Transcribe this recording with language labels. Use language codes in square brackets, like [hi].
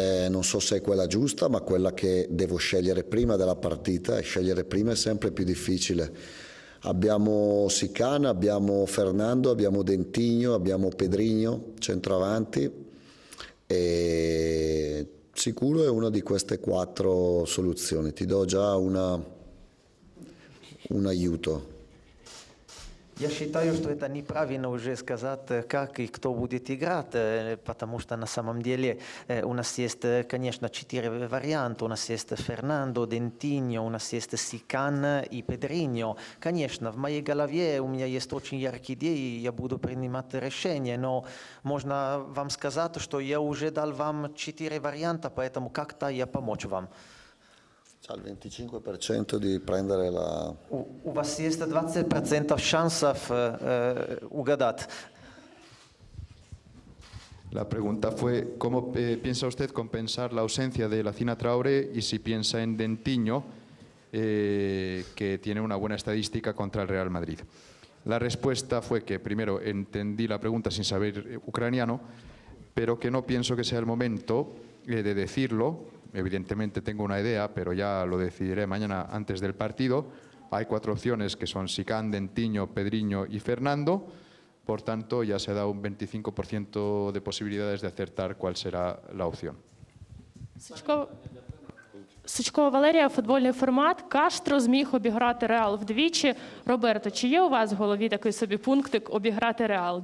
[it] Non so se è quella giusta, ma quella che devo scegliere prima della partita, e scegliere prima è sempre più difficile. Abbiamo Sican, abbiamo Fernando, abbiamo Dentinho, abbiamo Pedrinho, centravanti, e sicuro è una di queste quattro soluzioni. Ti do già un aiuto. [ru] Я считаю, что это неправильно уже сказать, как и кто будет играть, потому что на самом деле у нас есть, конечно, четыре варианта. У нас есть Фернандо, Дентиньо, у нас есть Сикан и Педриньо. Конечно, в моей голове у меня есть очень яркие идеи, я буду принимать решения, но можно вам сказать, что я уже дал вам четыре варианта, поэтому как-то я помочь вам. [it] C'ha il 25% di prendere la... [ru] У вас есть 20% шансов угадать. [es] La pregunta fue, ¿cómo piensa usted compensar la ausencia de Lacina Traore y si piensa en Dentinho, que tiene una buena estadística contra el Real Madrid? La respuesta fue que, primero, entendí la pregunta sin saber ucraniano, pero que no pienso que sea el momento de decirlo. Evidentemente tengo una idea, pero ya lo decidiré mañana antes del partido. Hay cuatro opciones que son Sican, Dentinho, Pedriño y Fernando. Por tanto, ya se da un 25% de posibilidades de acertar cuál será la opción. [uk] Сучко Валерія, футбольний формат. Каштро зміг обіграти Реал вдвічі. Роберто, чи є у вас в голові такий собі пунктик обіграти Реал?